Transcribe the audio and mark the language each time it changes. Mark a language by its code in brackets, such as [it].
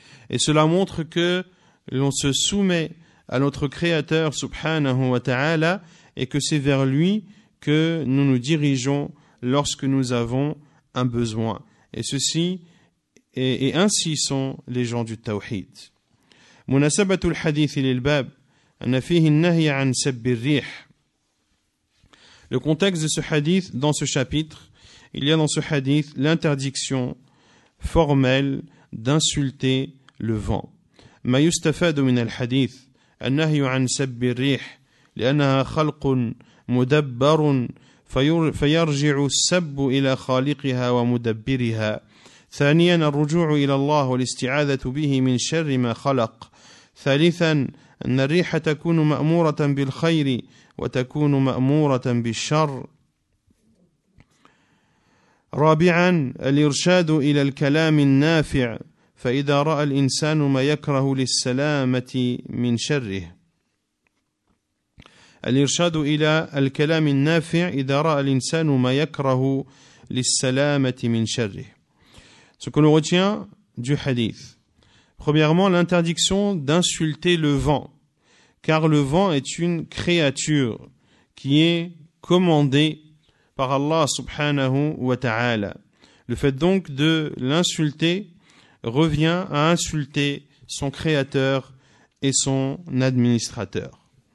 [fr] Et cela montre que l'on se soumet à notre Créateur subhanahu wa ta'ala et que c'est vers lui que nous nous dirigeons lorsque nous avons un besoin. Et ceci et ainsi sont les gens du tawhid. [ar] مناسبة الحديث للباب أن فيه النهي عن سب الريح. [fr] Le contexte de ce hadith dans ce chapitre, il y a dans ce hadith l'interdiction formelle d'insulter le vent. [ar] ما يستفاد من الحديث النهي عن سب الريح لأنها خلق مدبر فيرجع السب إلى خالقها ومدبرها. ثانيا الرجوع إلى الله والاستعاذة به من شر ما خلق. ثالثا أن الريح تكون مأمورة بالخير وتكون مأمورة بالشر. رابعا الإرشاد إلى الكلام النافع فإذا رأى الإنسان ما يكره للسلامة من شره. الإرشاد إلى الكلام النافع إذا رأى الإنسان ما يكره للسلامة من شره. [fr] Ce que l'on retient du hadith. Premièrement, l'interdiction d'insulter le vent, car le vent est une créature qui est commandée par Allah subhanahu wa ta'ala. Le fait donc de l'insulter revient à insulter son créateur et son administrateur.